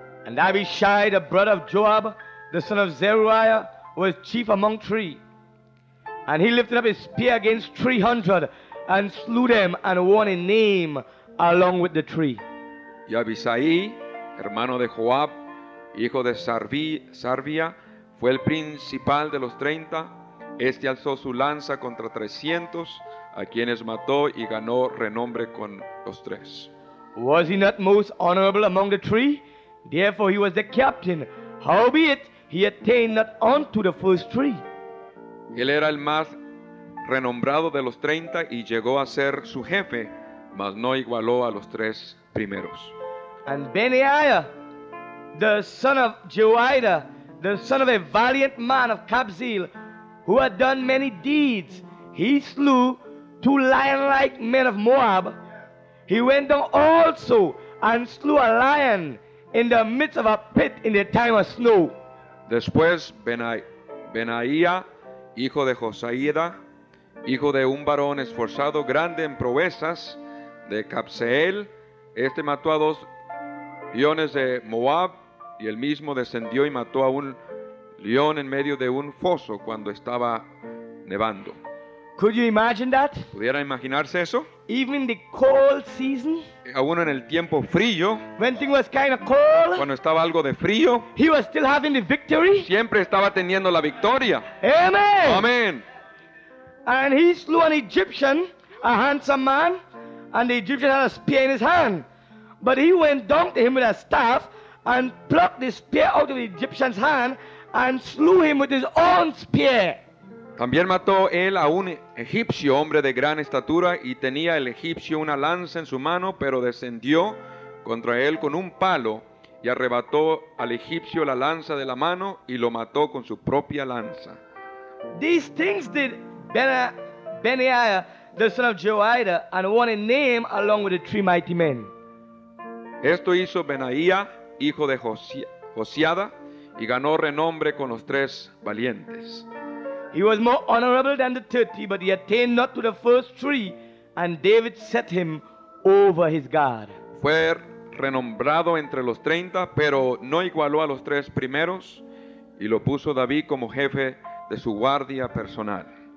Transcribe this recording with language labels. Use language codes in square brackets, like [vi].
[en] And Abishai, the brother of Joab, the son of Zeruiah, was chief among three. And he lifted up his spear against 300 and slew them and won a name along with the three. [es] Y Abisai, hermano de Joab, hijo de Sarvia, fue el principal de los 30. Este alzó su lanza contra 300, a quienes mató y ganó renombre con los tres. [en] Was he not most honorable among the three? Therefore he was the captain. Howbeit, he attained not unto the first three. [es] Él era el más renombrado de los 30 y llegó a ser su jefe, mas no igualó a los tres primeros. [en] And Benaiah, the son of Jehoiada, the son of a valiant man of Kabzeel, who had done many deeds, he slew two lion-like men of Moab. He went down also and slew a lion in the midst of a pit in the time of snow. [es] Después Benaiah, hijo de Josaida, hijo de un varón esforzado, grande en proezas, de Kabzeel, este mató a dos leones de Moab, y el mismo descendió y mató a un león en medio de un foso cuando estaba nevando. [en] Could you imagine that? [es] ¿Pudiera imaginarse eso? [en] Even in the cold season, [es] aún en el tiempo frío, [en] when things was kind of cold, [es] cuando estaba algo de frío, [en] he was still having the victory. [es] Siempre estaba teniendo la victoria. [en] Amen. [es] Amen. [en] And he slew an Egyptian, a handsome man, and the Egyptian had a spear in his hand. But he went down to him with a staff and plucked the spear out of the Egyptian's hand and slew him with his own spear. [es] También mató él a un egipcio, hombre de gran estatura, y tenía el egipcio una lanza en su mano, pero descendió contra él con un palo y arrebató al egipcio la lanza de la mano y lo mató con su propia lanza. [en] These things did Benaiah, the son of Jehoiada, and won a name along with the three mighty men. [es] Esto hizo Benaiah, hijo de Josiada, y ganó renombre con los tres valientes. [en] He was more honorable than the 30, but he attained not to the first three, and David set him over his guard. [es] Fue renombrado entre los 30, pero no igualó a los tres primeros, y lo puso David como jefe de su guardia personal.